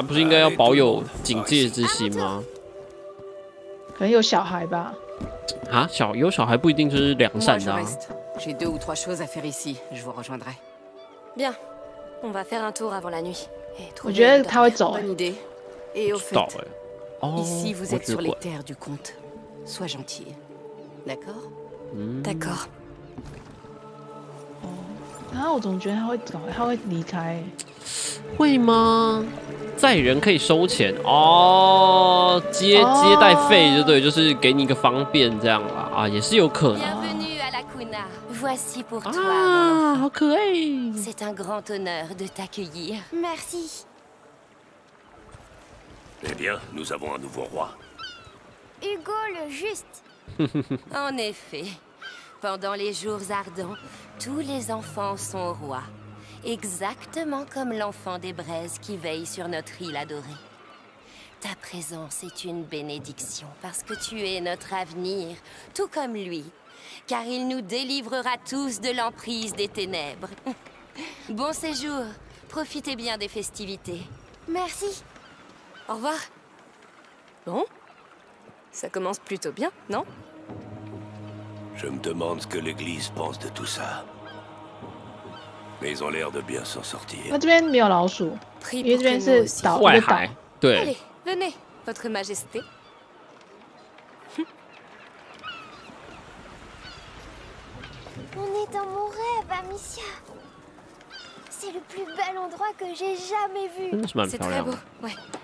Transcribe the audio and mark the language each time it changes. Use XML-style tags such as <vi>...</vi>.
<zh>不是应该要保有警戒之心吗？可能有小孩吧。啊，小有小孩不一定就是良善的、啊。</zh> <fr>J'ai deux ou trois choses à faire ici. Je vous rejoindrai. Bien. On va faire un tour avant la nuit.</fr> <zh>我觉得他会走、欸。</zh> <fr>Bonne idée. Et ici vous êtes sur les terres du comte. Sois gentil. D'accord. D'accord.</fr> <zh>啊，我总觉得他会走，他会离开，会吗？载人可以收钱哦，接待费就对，就是给你一个方便这样啦，啊，也是有可能。</zh> <fr>Bienvenue à la Kuna. Voici pour toi.</fr> <zh>啊，好可爱。</zh> <fr>C'est un grand honneur de t'accueillir. Merci. Eh bien, nous avons un nouveau roi. Hugo le Juste. En effet. Pendant les jours ardents, tous les enfants sont rois. Exactement comme l'enfant des braises qui veille sur notre île adorée. Ta présence est une bénédiction parce que tu es notre avenir, tout comme lui. Car il nous délivrera tous de l'emprise des ténèbres. Bon séjour. Profitez bien des festivités. Merci. Au revoir. Bon, ça commence plutôt bien, non ? Je me demande ce que l'église pense de tout ça. Mais ils ont l'air de bien s'en sortir.</fr> <zh>那这边没有老鼠，因为这边是岛，外海。对。</zh> <fr>Allez, venez, votre majesté. 哼。 On est dans mon rêve, Amicia. C'est le plus bel endroit que j'ai jamais vu. C'est très beau, ouais.</fr>